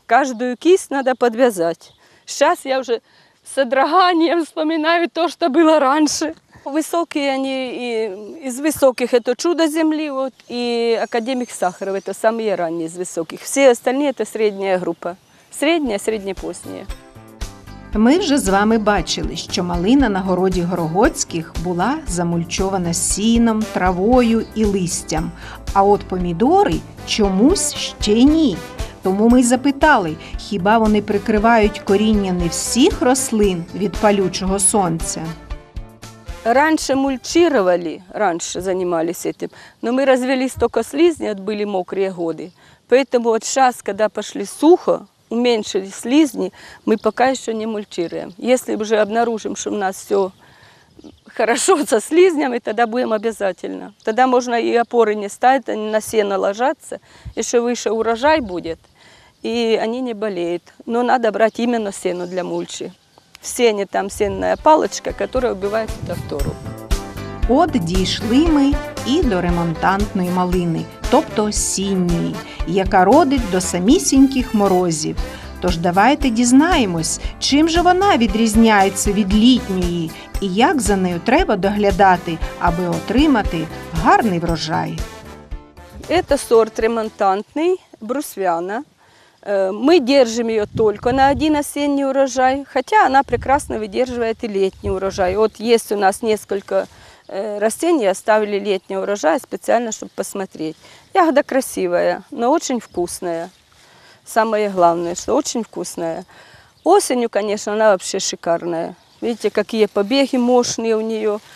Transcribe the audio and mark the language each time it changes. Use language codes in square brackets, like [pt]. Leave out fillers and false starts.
[ru] Каждую кисть надо подвязать. Сейчас я уже с содроганием вспоминаю то, что было раньше. Высокие они, и из высоких это чудо земли, вот, и академик Сахаров, это самые ранние из высоких. Все остальные это средняя группа. Средняя, среднепосняя. [uk] Ми вже з вами бачили, що малина на городі Горогоцьких була замульчована сіном, травою і листям. А от помідори чомусь ще ні. Тому ми й запитали, хіба вони прикривають коріння не всіх рослин від палючого сонця? Раніше мульчували, раніше займалися цим, але ми розвели стільки слізні, от були мокрі роки. [ru] Тому от зараз, коли пішли сухо, уменьшили слизни, мы пока еще не мульчируем. Если уже обнаружим, что у нас все хорошо со слизнями, тогда будем обязательно. Тогда можно и опоры не ставить, они на сено ложатся, еще выше урожай будет, и они не болеют. Но надо брать именно сено для мульчи. В сене там сенная палочка, которая убивает тавтору. [uk] От дійшли ми і до ремонтантної малини, тобто осінньої, яка родить до самісіньких морозів. Тож давайте дізнаємось, чим же вона відрізняється від літньої і як за нею треба доглядати, аби отримати гарний врожай. Це сорт ремонтантний, брусвяна. Ми держимо її тільки на один осінній урожай, хоча вона прекрасно витримує і літній урожай. [ru] От є у нас кілька растения оставили летний урожай специально, чтобы посмотреть. Ягода красивая, но очень вкусная. Самое главное, что очень вкусная. Осенью, конечно, она вообще шикарная. Видите, какие побеги мощные у нее.